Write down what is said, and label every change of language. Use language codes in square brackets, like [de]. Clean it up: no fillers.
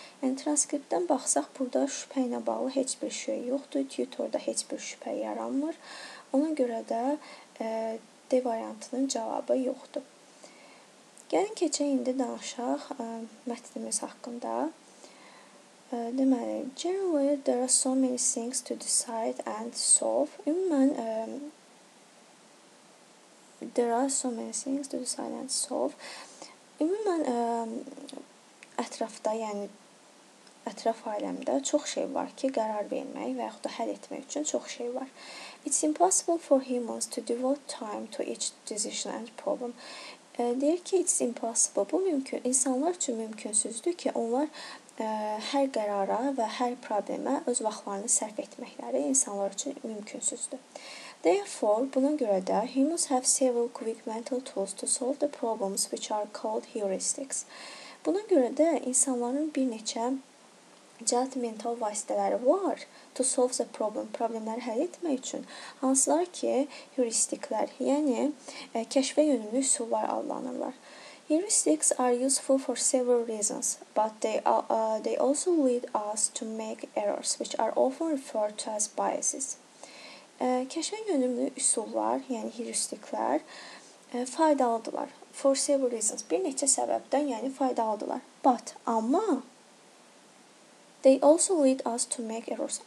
[az] Yəni transkriptdən baxsaq, burada şübhə ilə bağlı heç bir şey yoxdur. Tutorda heç bir şübhə yaranmır. Ona görə də D variantının cavabı yoxdur. Gəlin keçək indi danışaq mətnimiz haqqında. Deməli, [en] generally there are so many things to decide and solve. [az] Ümumən, [en] there are so many things to decide and solve. [az] Ümumən, ətrafda, yəni ətraf aləmdə çox şey var ki, qərar vermək və yaxud da həll etmək üçün çox şey var. [en] It's impossible for humans to devote time to each decision and problem. [az] Deyir ki, [en] it's impossible. [az] Bu mümkün. İnsanlar üçün mümkünsüzdür ki, onlar hər qərara və hər problemə öz vaxtlarını sərf etməkləri insanlar üçün mümkünsüzdür. [en] Therefore, [az] buna görə də [en] humans have several quick mental tools to solve the problems which are called heuristics. [az] Buna görə də insanların bir neçə cəld mental vasitələri var [en] to solve the problem, [az] problemləri həll etmək üçün, hansılar ki heuristiklər, yəni kəşfə yönümlü üsullar adlanırlar. [en] Heuristics are useful for several reasons, but they also lead us to make errors, which are often referred to as biases. [az] Kəşfə yönümlü üsullar, yəni heuristiklər, faydalıdırlar. [en] For several reasons, [az] bir neçə səbəbdən, yəni faydalıdırlar. [en] But, [az] amma, [en] they also lead us to make errors.